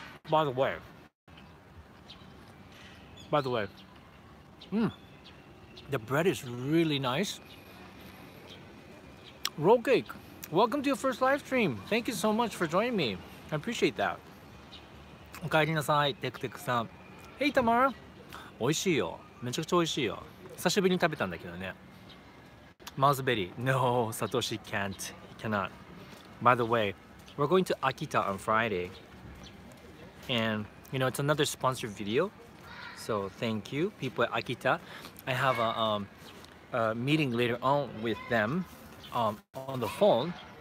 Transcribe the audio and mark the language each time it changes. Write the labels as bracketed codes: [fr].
[en] By the way, the bread is really nice. Roll cake, welcome to your first live stream. Thank you so much for joining me. I appreciate that. [ja] おかえりなさい、テクテクさん。 Hey, Tamara. おいしいよ。めちゃくちゃおいしいよ。久しぶりに食べたんだけどね。 [en] マウスベリー。No, Satoshi can't. He cannot. By the way, we're going to Akita on Friday. And, you know, it's another sponsored video. So, thank you, people at Akita. I have a meeting later on with them on the phone.